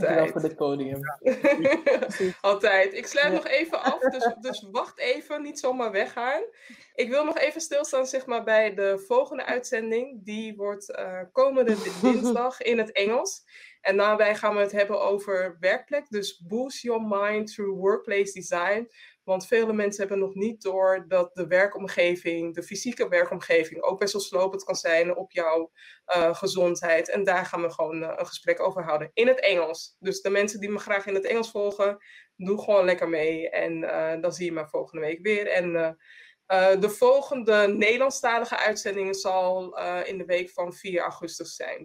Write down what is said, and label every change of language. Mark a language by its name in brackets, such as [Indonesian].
[Dutch] Dankjewel voor het podium. Altijd. Ik sluit nog even af, dus wacht even, niet zomaar weggaan. Ik wil nog even stilstaan zeg maar, bij de volgende uitzending. Die wordt komende dinsdag in het Engels. En daarbij gaan we het hebben over werkplek. [English] Dus boost your mind through workplace design. [Dutch] Want vele mensen hebben nog niet door dat de werkomgeving, de fysieke werkomgeving, ook best wel slopend kan zijn op jouw gezondheid. En daar gaan we gewoon een gesprek over houden in het Engels. Dus de mensen die me graag in het Engels volgen, doe gewoon lekker mee. En dan zie je me volgende week weer. En de volgende Nederlandstalige uitzending zal in de week van 4 augustus zijn.